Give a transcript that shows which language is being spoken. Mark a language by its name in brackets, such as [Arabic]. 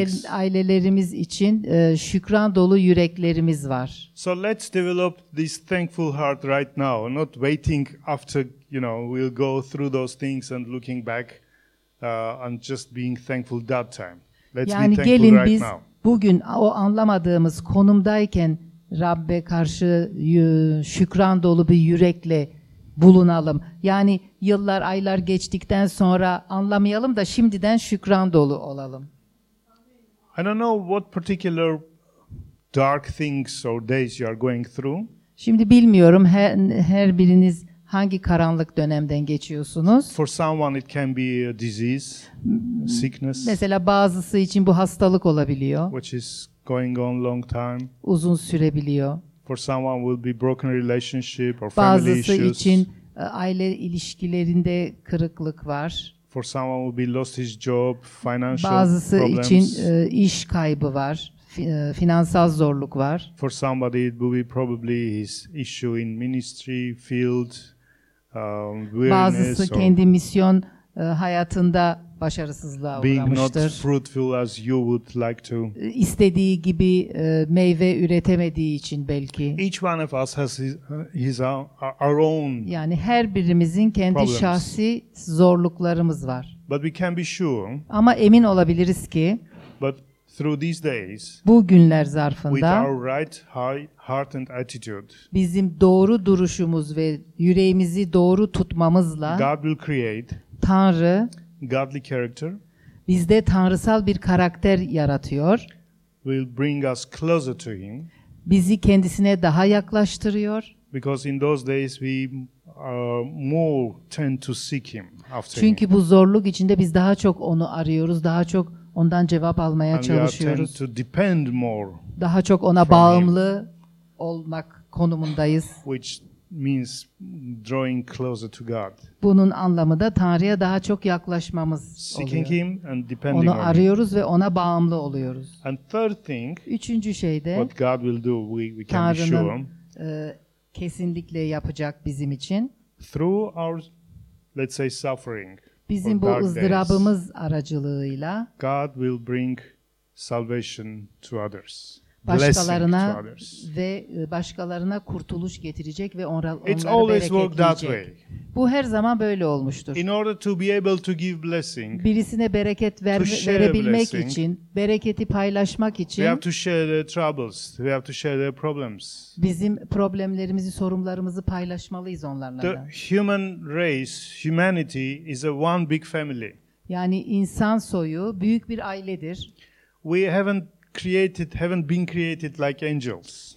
[Turkish] Ailelerimiz için şükran dolu yüreklerimiz var. [English] So let's develop this thankful heart right now, not waiting after, you know, we'll go through those things and looking back and just being thankful that time. Let's yani be thankful gelin right biz now. [Turkish] Bugün o anlamadığımız konumdayken Rabbe karşı şükran dolu bir yürekle bulunalım. Yani yıllar, aylar geçtikten sonra anlamayalım da şimdiden şükran dolu olalım. [English] I don't know what particular dark things or days you are going through. [Turkish] Şimdi bilmiyorum her biriniz hangi karanlık dönemden geçiyorsunuz. [English] For someone it can be a disease, sickness. [Turkish] Mesela bazısı için bu hastalık olabiliyor. [English] Which is going on long time. [Turkish] Uzun sürebiliyor. [English] For someone will be broken relationship or [Turkish] bazısı [English] family issues. [Turkish] Bazısı için aile ilişkilerinde kırıklık var. [English] For someone will be lost his job, financial problems. [Turkish] Bazısı için iş kaybı var, finansal zorluk var. [English] For somebody it will be probably his issue in ministry field, weariness. [Turkish] Bazısı kendi misyon hayatında başarısızlığa uğramıştır. [English] Being not fruitful as you would like to. [Turkish] İstediği gibi meyve üretemediği için belki. [English] Each one of us has his our own. [Turkish] Yani her birimizin kendi [English] problems. [Turkish] Şahsi zorluklarımız var. [English] But we can be sure. [Turkish] Ama emin olabiliriz ki. [English] But through these days. [Turkish] Bu günler zarfında. [English] With our right heart and attitude. [Turkish] Bizim doğru duruşumuz ve yüreğimizi doğru tutmamızla. [English] God will create. [Turkish] Tanrı. [English] Godly character. [Turkish] Bizde tanrısal bir karakter yaratıyor. [English] Will bring us closer to him. [Turkish] Bizi kendisine daha yaklaştırıyor. [English] Because in those days we more tend to seek him after. [Turkish] Çünkü [English] him. [Turkish] Bu zorluk içinde biz daha çok onu arıyoruz, daha çok ondan cevap almaya [English] and [Turkish] çalışıyoruz. [English] We tend to depend more. [Turkish] Daha çok ona bağımlı olmak konumundayız. [English] Which means drawing closer to God. [Turkish] Bunun anlamı da Tanrı'ya daha çok yaklaşmamız oluyor. [English] Seeking him and depending [Turkish] onu [English] on [Turkish] arıyoruz [English] him. [Turkish] Ve ona bağımlı oluyoruz. [English] And third thing, [Turkish] üçüncü şey de [English] what God will do, we can [Turkish] Tanrı'nın, [English] be sure. [Turkish] Kesinlikle yapacak bizim için. [English] Through our, let's say, suffering. [Turkish] Bizim bu ızdırabımız aracılığıyla [English] God will bring salvation to others. [Turkish] Başkalarına ve başkalarına kurtuluş getirecek ve onları bereketleyecek. Bu her zaman böyle olmuştur. [English] In order to be able to give blessing, [Turkish] birisine bereket verebilmek için, bereketi paylaşmak için [English] we have to share their troubles, we have to share their problems. [Turkish] Bizim problemlerimizi, sorunlarımızı paylaşmalıyız onlarla. [English] The human race, humanity is a one big family. [Turkish] Yani insan soyu büyük bir ailedir. [English] We haven't been created like angels.